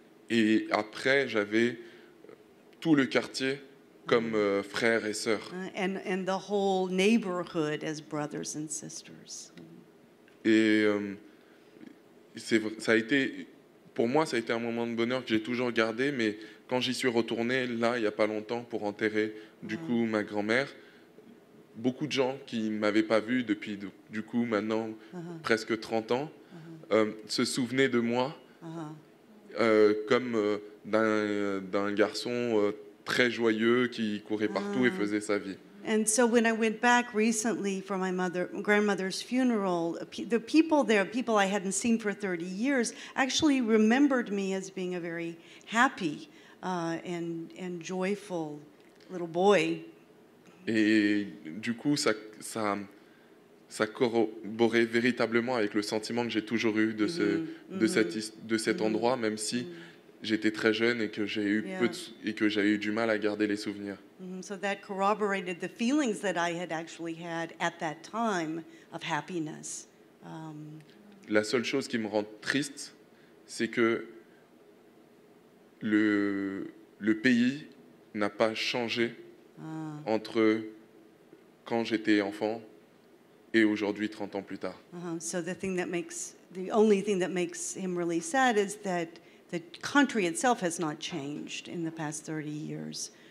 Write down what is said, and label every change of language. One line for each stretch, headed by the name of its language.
French: Et après, j'avais tout le quartier comme frère et sœur.
English: And the whole neighborhood as brothers and sisters.
French: Et ça a été, pour moi, ça a été un moment de bonheur que j'ai toujours gardé, mais quand j'y suis retourné, là, il n'y a pas longtemps, pour enterrer, du coup, ma grand-mère, beaucoup de gens qui ne m'avaient pas vu depuis, du coup, maintenant, presque 30 ans, se souvenaient de moi comme d'un garçon très joyeux qui courait partout et faisait sa vie.
English: And so when I went back recently for my mother, grandmother's funeral, the people there, people I hadn't seen for 30 years, actually remembered me as being a very happy and joyful little boy.
French: Et du coup, ça corroborait véritablement avec le sentiment que j'ai toujours eu de ce cet endroit, même si j'étais très jeune et que j'ai eu et que j'ai eu du mal à garder les souvenirs.
English: So that corroborated the feelings that I had actually had at that time of happiness.
French: La seule chose qui me rend triste, c'est que le pays n'a pas changé entre quand j'étais enfant et aujourd'hui, 30 ans plus tard.
English: So the only thing that makes him really sad is that the country itself has not changed in the past 30 years.